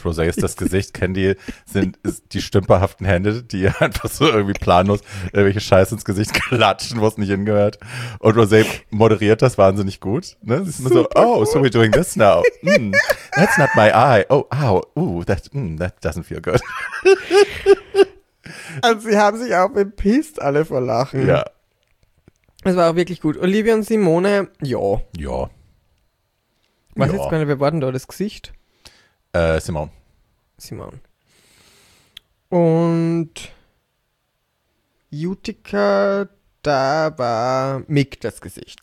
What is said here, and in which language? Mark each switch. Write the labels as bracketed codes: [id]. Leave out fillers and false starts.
[de] Rosé ist das Gesicht, Candy ist die stümperhaften Hände, die einfach so irgendwie planlos irgendwelche Scheiße ins Gesicht klatschen, wo es nicht hingehört. Und Rosé moderiert das wahnsinnig gut. Ne? Sie ist immer so, oh, [en] so we're doing this now. That's not my eye. Oh, ow, that doesn't feel good. [de] Also sie haben sich auch bepisst alle vor Lachen. Ja. Es war auch wirklich gut. Olivia und Simone, ja. Ja. Was jetzt gerade, wer war denn da das Gesicht? Simone. Und Utica, da war Mick das Gesicht.